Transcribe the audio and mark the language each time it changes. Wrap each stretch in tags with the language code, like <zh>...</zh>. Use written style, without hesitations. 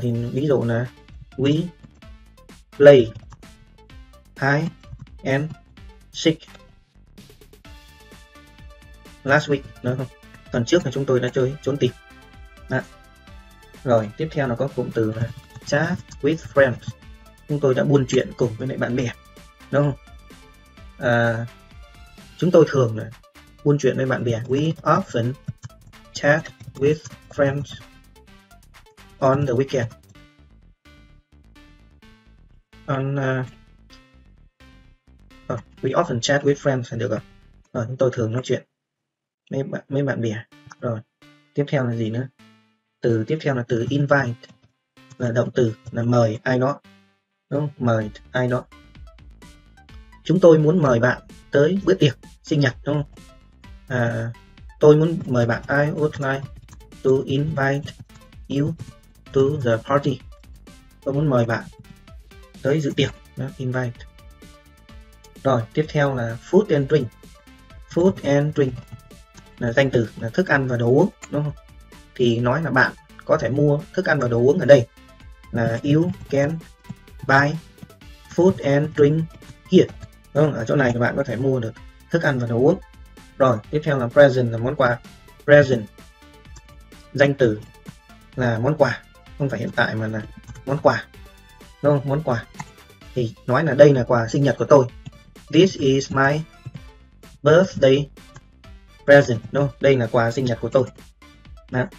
<vi>Thì ví dụ là</vi> <en>we play hide and seek last week,</en> <vi>đúng không? Tuần trước là chúng tôi đã chơi trốn tìm. Đã. Rồi, tiếp theo là có cụm từ là</vi> <en>chat with friends.</en> <vi>Chúng tôi đã buôn chuyện cùng với lại bạn bè, đúng không? Chúng tôi thường là buôn chuyện với bạn bè.</vi> <en>We often chat with friends on the weekend. We often chat with friends</en> <vi>là được rồi. Rồi, chúng tôi thường nói chuyện với mấy bạn bè. Rồi, tiếp theo là gì nữa? Từ tiếp theo là từ invite, là động từ, là mời ai đó, đúng không? Mời ai đó. Chúng tôi muốn mời bạn tới bữa tiệc sinh nhật, đúng không? Tôi muốn mời bạn.</vi> <en>I would like to invite you to the party.</en> <vi>Tôi muốn mời bạn tới dự tiệc, đó, invite. Rồi, tiếp theo là</vi> <en>food and drink. Food and drink</en> <vi>là danh từ, là thức ăn và đồ uống, đúng không? Thì nói là bạn có thể mua thức ăn và đồ uống ở đây.</vi> <en>Là you can buy food and drink here.</en> <vi>Đúng không? Ở chỗ này thì bạn có thể mua được thức ăn và đồ uống. Rồi, tiếp theo là present, là món quà. Present, danh từ là món quà, không phải hiện tại mà là món quà, đúng không? Món quà thì nói là đây là quà sinh nhật của tôi.</vi> <en>This is my birthday present,</en> <vi>đúng không? Đây là quà sinh nhật của tôi. Đó.</vi>